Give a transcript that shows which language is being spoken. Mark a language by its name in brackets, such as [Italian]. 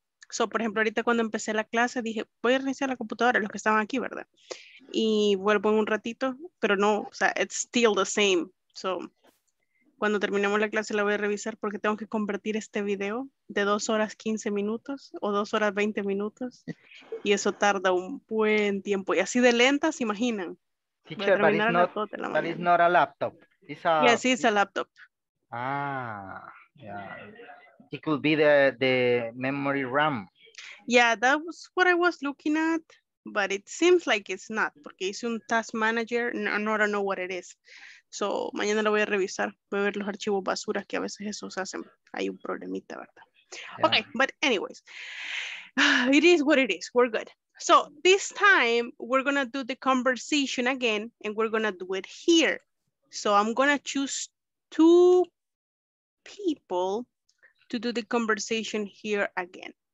[Spanish] So, por ejemplo, ahorita cuando empecé la clase, dije, voy a reiniciar la computadora, los que estaban aquí, ¿verdad? Y vuelvo en un ratito, pero no, o sea, [English] it's still the same. [Spanish] So, cuando terminemos la clase, la voy a revisar porque tengo que convertir este video de 2 horas 15 minutos o 2 horas 20 minutos. Y eso tarda un buen tiempo. Y así de lenta, ¿se imaginan? [English] Teacher, that is not, that is not a laptop. It's a... Yes, it's a laptop. Ah, yeah. It could be the memory RAM. Yeah, that was what I was looking at, but it seems like it's not, [Spanish] porque hice un [English] task manager, no, I don't know what it is. [Spanish] So, mañana lo voy a revisar, voy a ver los archivos basuras que a veces esos hacen, hay un problemita, ¿verdad? [English] Yeah. Okay, but anyways, it is what it is, we're good. So, this time, we're gonna do the conversation again, and we're gonna do it here. So, I'm gonna choose 2 people to do the conversation here again.